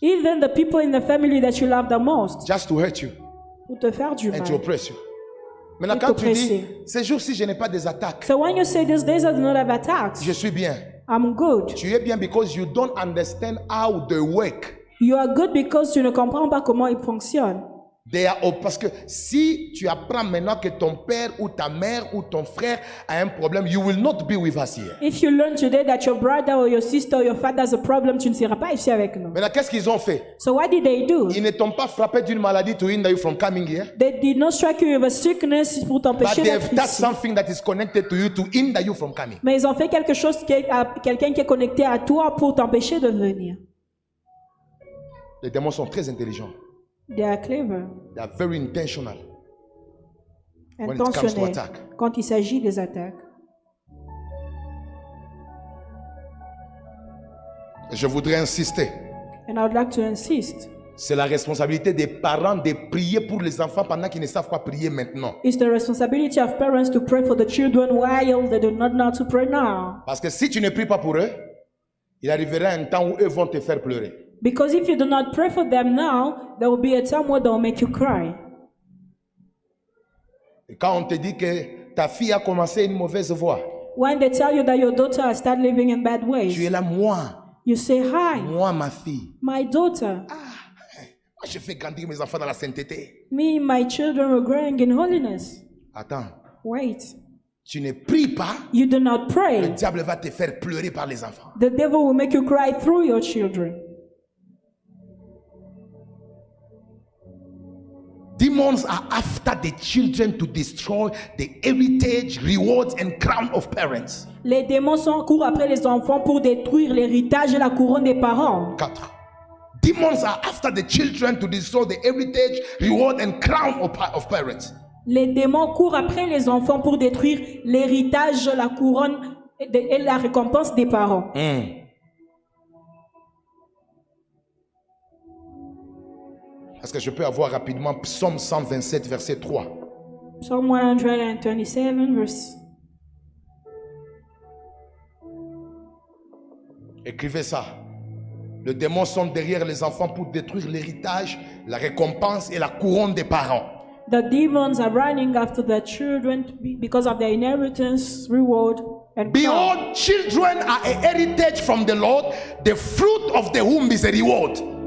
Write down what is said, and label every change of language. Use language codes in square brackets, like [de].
[en] Even the people in the family that you love the most. Just to hurt you. [fr] Pour te faire du mal. [en] And to oppress you. [fr] Maintenant, quand tu dis, ces jours-ci, je n'ai pas des attaques. [en] So when you say these days I do not have attacks. [fr] Je suis bien. [en] I'm good. [fr] Tu es bien [en] because you don't understand how they work. You are good because [fr] tu ne comprends pas comment ils fonctionnent. [en] They are, [fr] parce que si tu apprends maintenant que ton père ou ta mère ou ton frère a un problème, [en] you will not be with us here. If you learn today that your brother or your sister or your father has a problem, [fr] tu ne seras pas ici avec nous. Maintenant, qu'est-ce qu'ils ont fait? [en] So what did they do? [fr] Ils ne t'ont pas frappé d'une maladie [en] to hinder you from coming here. They did not strike you with a sickness [fr] pour t'empêcher d'être ici. [en] But they have done something that is connected to you to hinder you from coming. [fr] Mais ils ont fait quelque chose qui est quelqu'un qui est connecté à toi pour t'empêcher de venir. Les démons sont très intelligents. [en] They are clever. They are very intentional. [fr] Intentionnel. [en] When it comes to [fr] quand il s'agit des attaques. Je voudrais insister. [en] And I would like to insist. [fr] C'est la responsabilité des parents de prier pour les enfants pendant qu'ils ne savent pas prier maintenant. [en] It's the responsibility of parents to pray for the children while they do not know to pray now. [fr] Parce que si tu ne pries pas pour eux, il arrivera un temps où eux vont te faire pleurer. [en] Because if you do not pray for them now, there will be a time where they will make you cry. [fr] Quand on te dit que ta fille a commencé une mauvaise voie, [en] when they tell you that your daughter has started living in bad ways, [fr] tu es là, moi, [en] you say hi. [fr] Moi, ma fille. [en] My daughter. [fr] Ah, moi, je fais grandir mes enfants dans la sainteté. [en] Me, my children are growing in holiness. [fr] Attends. [en] Wait. [fr] Tu ne pries pas. [en] You do not pray. [fr] Le diable va te faire pleurer par les enfants. [en] The devil will make you cry through your children. Demons are after the children to destroy the heritage, rewards, and crown of parents. [fr] Les démons sont en cours après les enfants pour détruire l'héritage et la couronne des parents. 4. [en] Demons are after the children to destroy the heritage, reward, and crown of parents. [fr] Les démons courent après les enfants pour détruire l'héritage, la couronne et la récompense des parents. Est-ce que je peux avoir rapidement Psaume 127, verset 3? Psaume 127, verset. Écrivez ça. Le démon sont derrière les enfants pour détruire l'héritage, la récompense et la couronne des parents. [en] The demons are running after their children because of their inheritance, reward, and crown. Behold, children are a heritage from the Lord, the fruit of the womb is a reward.